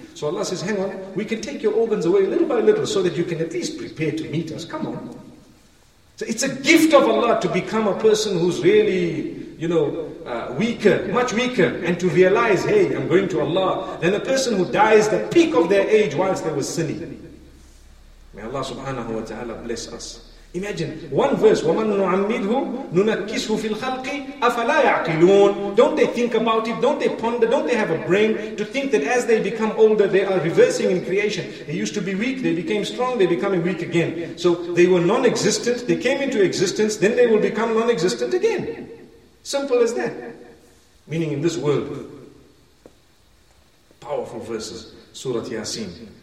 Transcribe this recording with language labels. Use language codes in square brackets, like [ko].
[en] So Allah says, hang on, we can take your organs away little by little so that you can at least prepare to meet us. Come on. So it's a gift of Allah to become a person who's really, you know, weaker, much weaker, and to realize, hey, I'm going to Allah, than a person who dies the peak of their age whilst they were sinning. May Allah subhanahu wa ta'ala bless us. Imagine, one verse, [ar] وَمَن نُعَمِّدْهُ نُنَكِّسْهُ فِي الْخَلْقِ أَفَلَا يَعْقِلُونَ. [en] Don't they think about it? Don't they ponder? Don't they have a brain to think that as they become older, they are reversing in creation? They used to be weak, they became strong, they're becoming weak again. So they were non-existent, they came into existence, then they will become non-existent again. Simple as that. Meaning in this world. Powerful verses. Surah Yasin.